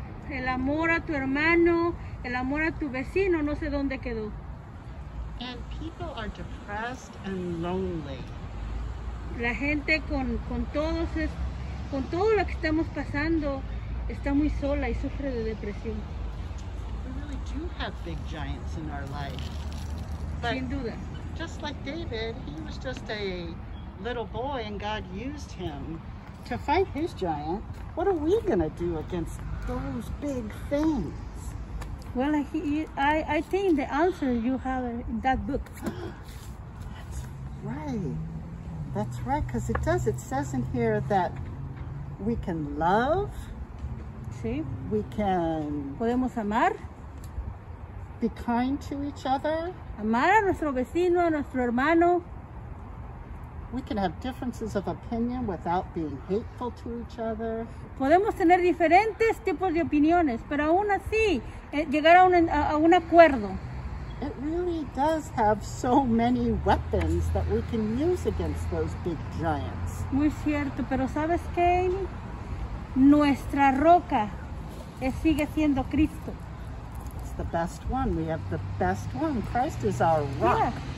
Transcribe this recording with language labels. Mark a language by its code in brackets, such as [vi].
[es] El amor a tu hermano, el amor a tu vecino, no sé dónde quedó. [en] And people are depressed and lonely. [es] La gente con todo lo que estamos pasando está muy sola y sufre de depresión. [en] We really do have big giants in our life. [es] But sin duda. [en] Just like David, he was just a little boy and God used him to fight his giant. What are we going to do against those big things? Well, I think the answer you have in that book. That's right, because it says in here that we can love. [es] Sí. [en] We can. [es] Podemos amar. [en] Be kind to each other. [es] Amar a nuestro vecino, a nuestro hermano. [en] We can have differences of opinion without being hateful to each other. [es] Podemos tener diferentes tipos de opiniones, pero aún así llegar a un acuerdo. [en] It really does have so many weapons that we can use against those big giants. [es] Muy cierto, pero ¿sabes qué? Nuestra roca sigue siendo Cristo. [en] It's the best one. We have the best one. Christ is our rock.